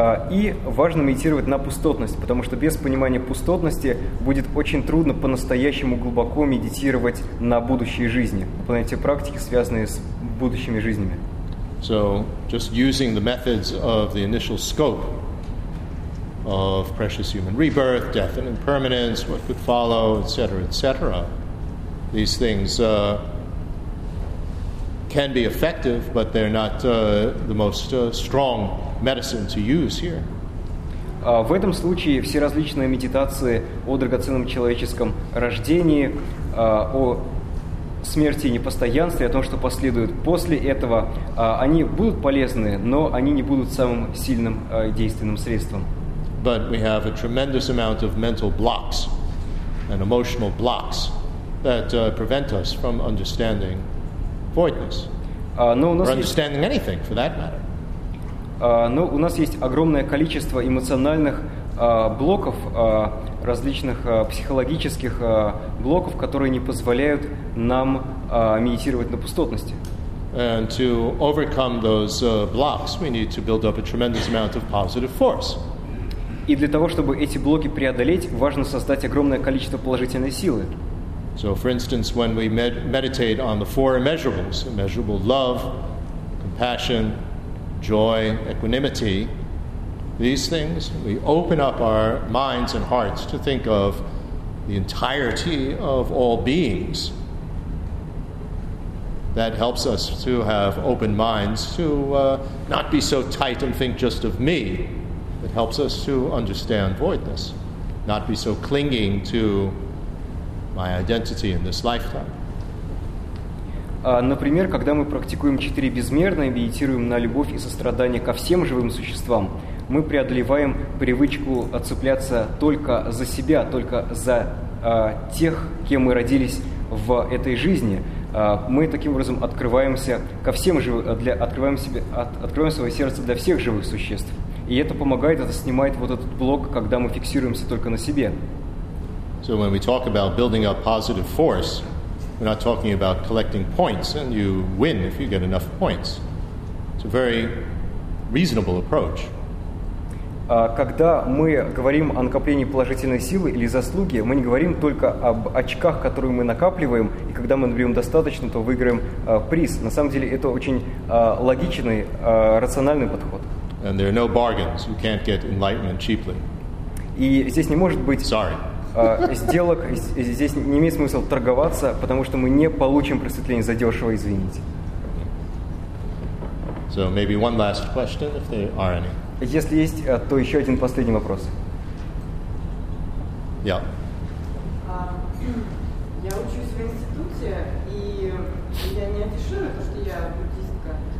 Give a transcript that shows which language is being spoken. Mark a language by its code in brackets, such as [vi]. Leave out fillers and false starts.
[ru] И важно медитировать на пустотность, потому что без понимания пустотности будет очень трудно по-настоящему глубоко медитировать на будущие жизни, на эти практики, связанные с будущими жизнями. [en] So, just using the methods of the initial scope of precious human rebirth, death and impermanence, what could follow, etc., etc., these things can be effective, but they're not the most strong medicine to use here. [ru] В этом случае все различные медитации о драгоценном человеческом рождении, о смерти и непостоянстве, о том, что последует после этого, они будут полезны, но они не будут самым сильным действенным средством. [en] But we have a tremendous amount of mental blocks and emotional blocks that prevent us from understanding voidness, or understanding anything, for that matter. [ru] Но у нас есть огромное количество эмоциональных блоков, различных психологических блоков, которые не позволяют нам медитировать на пустотности. [en] And to overcome those blocks, we need to build up a tremendous amount of positive force. [ru] И для того, чтобы эти блоки преодолеть, важно создать огромное количество положительной силы. [en] So, for instance, when we meditate on the four immeasurables, immeasurable love, compassion, joy, equanimity, these things, we open up our minds and hearts to think of the entirety of all beings. That helps us to have open minds, to not be so tight and think just of me. It helps us to understand voidness, not be so clinging to my identity in this lifetime. [ru] Например, когда мы практикуем четыре безмерные, медитируем на любовь и сострадание ко всем живым существам, мы преодолеваем привычку цепляться только за себя, только за тех, кем мы родились в этой жизни. Мы таким образом открываемся ко всем открываем свое сердце для всех живых существ. И это помогает, это снимает вот этот блок, когда мы фиксируемся только на себе. [en] So when we talk about building up positive force, we're not talking about collecting points, and you win if you get enough points. It's a very reasonable approach. [ru] Когда мы говорим о накоплении положительной силы или заслуги, мы не говорим только об очках, которые мы накапливаем, и когда мы наберем достаточно, то выиграем приз. На самом деле это очень логичный, рациональный подход. [en] And there are no bargains. You can't get enlightenment cheaply. [ru] И здесь не может быть [en] Sorry. [ru] сделок. Здесь не имеет смысла торговаться, потому что мы не получим просветление за дешево, извините. [en] So maybe one last question, if there are any. [ru] Если есть, то еще один последний вопрос. [en] Yeah. [ru] Я учусь в институте, и я не афиширую, потому что я буддистка.